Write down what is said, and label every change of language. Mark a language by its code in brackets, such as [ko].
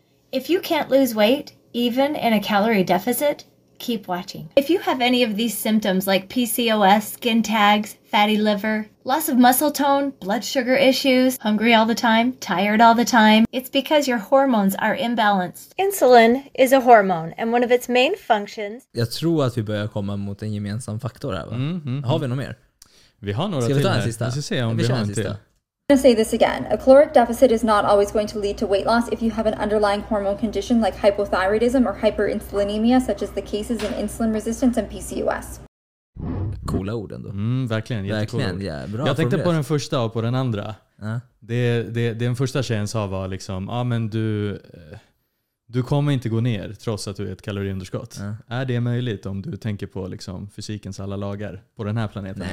[en] If you can't lose weight, even in a calorie deficit, keep watching. If you have any of these symptoms like PCOS, skin tags, fatty liver, loss of muscle tone, blood sugar issues, hungry all the time, tired all the time, it's because your hormones are imbalanced. Insulin is a hormone and one of its main functions. [sv] Jag tror att vi börjar komma mot en gemensam faktor här, va? Har vi något mer? Vi har några. Ska vi ta till en sista? Vi ska se om vi har en sista. [en] I'm going to say this again. A caloric deficit is not always going to lead to weight loss if you have an underlying hormone condition like hypothyroidism or hyperinsulinemia, such as the cases in insulin resistance and PCOS. [sv] Coola ord ändå. Verkligen, jättekul. Verkligen, ja, bra. Jag tänkte på den första och på den andra. Den första tjejen sa var liksom, ja, men du kommer inte gå ner trots att du är ett kaloriunderskott. Är det möjligt om du tänker på liksom fysikens alla lagar på den här planeten? Nej,